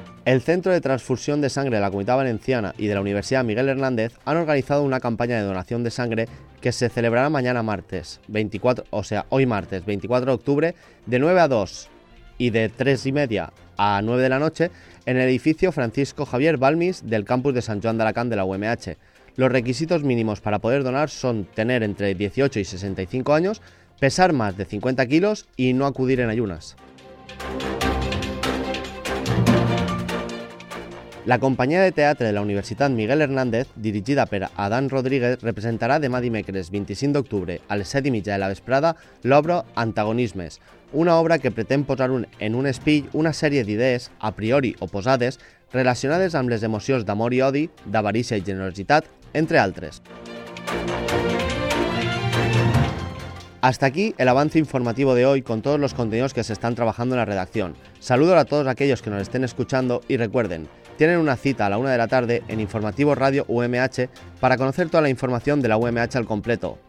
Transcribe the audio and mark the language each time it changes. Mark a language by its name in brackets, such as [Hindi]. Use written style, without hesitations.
[Spanish] El Centro de Transfusión de Sangre de la Comunidad Valenciana y de la Universidad Miguel Hernández han organizado una campaña de donación de sangre que se celebrará mañana martes, hoy martes 24 de octubre, de 9 a 2 y de 3 y media a 9 de la noche, en el edificio Francisco Javier Balmis del campus de San Joan de Alacant de la UMH. Los requisitos mínimos para poder donar son tener entre 18 y 65 años, pesar más de 50 kilos y no acudir en ayunas. La compañía de teatro de la Universidad Miguel Hernández, dirigida por Adán Rodríguez, representará [Catalan] de dimecres 25 de octubre a les 7 y media de la vesprada l'obra Antagonismes, una obra que pretén posar en un espill una sèrie d'idees, a priori oposades, relacionades amb les emocions d'amor i odi, d'avarícia i generositat, entre altres. [Spanish] Hasta aquí el avance informativo de hoy con todos los contenidos que se están trabajando en la redacción. Saludo a todos aquellos que nos estén escuchando y recuerden, tienen una cita a la 1 de la tarde en Informativo Radio UMH para conocer toda la información de la UMH al completo.